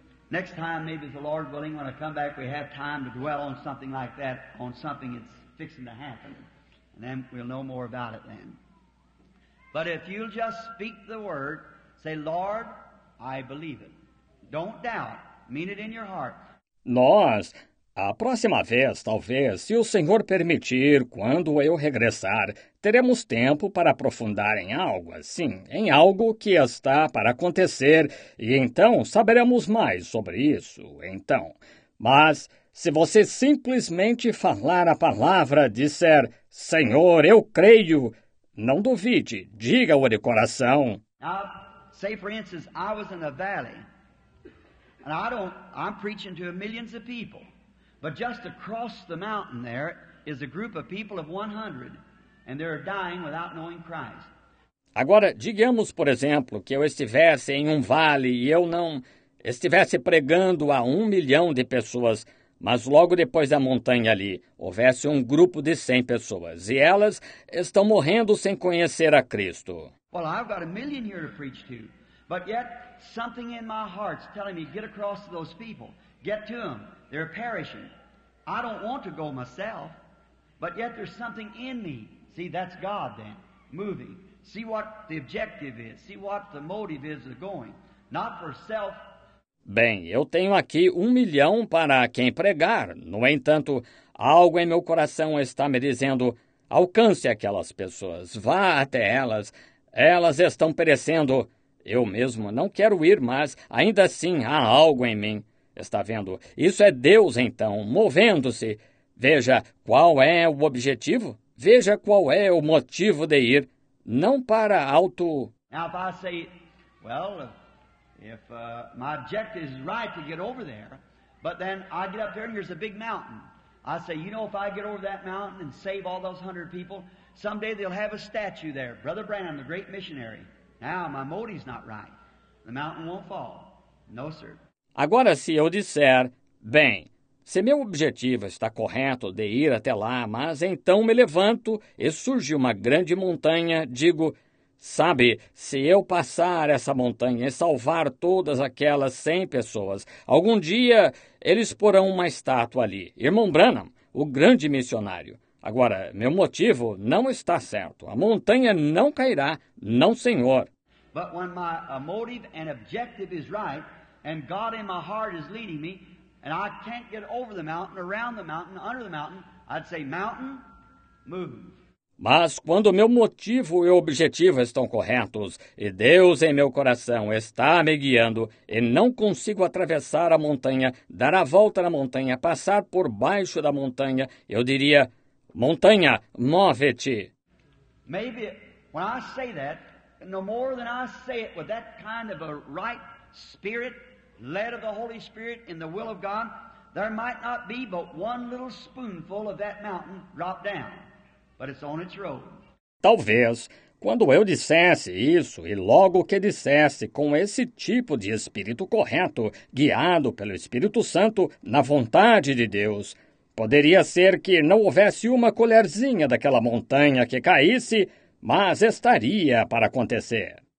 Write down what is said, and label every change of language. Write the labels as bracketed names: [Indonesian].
[English] Next time, maybe the Lord willing, when I come back, we have time to dwell on something like that, on something that's fixing to happen. And then we'll know more about it then. But if you'll just speak the word, say, Lord, I believe it. Don't doubt. Mean it in your heart. [Portuguese] Nós, a próxima vez, talvez, se o Senhor permitir, quando eu regressar, teremos tempo para aprofundar em algo assim, em algo que está para acontecer, e então saberemos mais sobre isso, então. Mas se você simplesmente falar a palavra, disser, Senhor, eu creio... Não duvide, diga-o de coração. [English] Now, say for instance, I was in a valley, and I'm preaching to millions of people, but just across the mountain there is a group of people of 100, and they're dying without knowing Christ. [Portuguese] Agora, digamos, por exemplo, que eu estivesse em um vale e eu não estivesse pregando a 1 milhão de pessoas, mas logo depois da montanha ali, houvesse um grupo de 100 pessoas, e elas estão morrendo sem conhecer a Cristo. [English] Well, I've got a million here to preach to, but yet something in my heart's telling me, get across to those people, get to them, they're perishing. I don't want to go myself, But yet there's something in me. See, that's God then, moving. See what the objective is. See what the motive is of going. Not for self. [Portuguese] Bem, eu tenho aqui 1 milhão para quem pregar. No entanto, algo em meu coração está me dizendo, alcance aquelas pessoas, vá até elas. Elas estão perecendo. Eu mesmo não quero ir, mas ainda assim há algo em mim. Está vendo? Isso é Deus, então, movendo-se. Veja qual é o objetivo. Veja qual é o motivo de ir. Não para auto... [English] Now, if I say, well, if my objective is right to get over there, but then I get up there and there's a big mountain. I say, you know, if I get over that mountain and save all those 100 people, someday they'll have a statue there. Brother Branham, the great missionary. Now, my motive's not right. The mountain won't fall. No, sir. [Portuguese] Agora, se eu disser, bem, se meu objetivo está correto de ir até lá, mas então me levanto e surge uma grande montanha, digo, sabe, se eu passar essa montanha e salvar todas aquelas 100 pessoas, algum dia eles porão uma estátua ali. Irmão Branham, o grande missionário. Agora, meu motivo não está certo. A montanha não cairá, não, senhor. [English] But when my motive and objective is right, and God in my heart is leading me, and I can't get over the mountain, around the mountain, under the mountain, I'd say, mountain, move. [Portuguese] Mas quando meu motivo e objetivo estão corretos, e Deus em meu coração está me guiando, e não consigo atravessar a montanha, dar a volta na montanha, passar por baixo da montanha, eu diria, montanha, move-te. [English] Maybe when I say that, no more than I say it with that kind of a right spirit, led of the Holy Spirit in the will of God, there might not be but one little spoonful of that mountain drop down, but it's on its road. [Portuguese] Talvez, quando eu dissesse isso, e logo que dissesse com esse tipo de espírito correto, guiado pelo Espírito Santo, na vontade de Deus, poderia ser que não houvesse uma colherzinha daquela montanha que caísse, mas estaria para acontecer.